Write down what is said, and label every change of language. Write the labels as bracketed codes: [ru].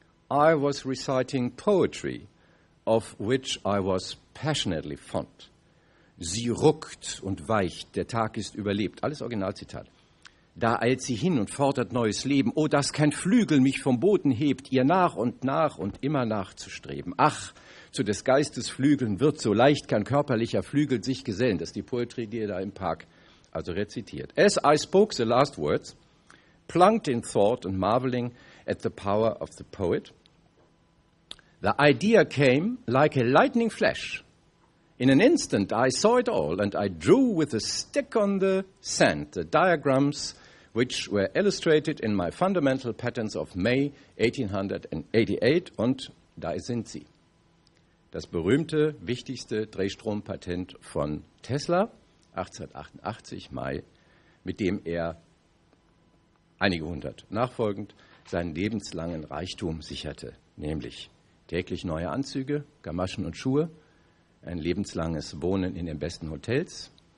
[en] I was reciting poetry, of which I was passionately fond. [de] Sie ruckt und weicht, der Tag ist überlebt. Alles Originalzitat. Da eilt sie hin und fordert neues Leben. Oh, dass kein Flügel mich vom Boden hebt, ihr nach und nach und immer nachzustreben. Ach, zu des Geistes Flügeln wird so leicht kein körperlicher Flügel sich gesellen. Das ist die Poetry, die er da im Park also rezitiert. [en] As I spoke the last words, plunked in thought and marveling at the power of the poet, the idea came like a lightning flash. In an instant I saw it all, and I drew with a stick on the sand the diagrams which were illustrated in my fundamental patterns of May 1888, [de] und da sind sie. Das berühmte, wichtigste Drehstrompatent von Tesla, 1888, Mai, mit dem er einige hundert nachfolgend seinen lebenslangen Reichtum sicherte, nämlich täglich neue Anzüge, Gamaschen und Schuhe, ein lebenslanges Wohnen in den besten Hotels.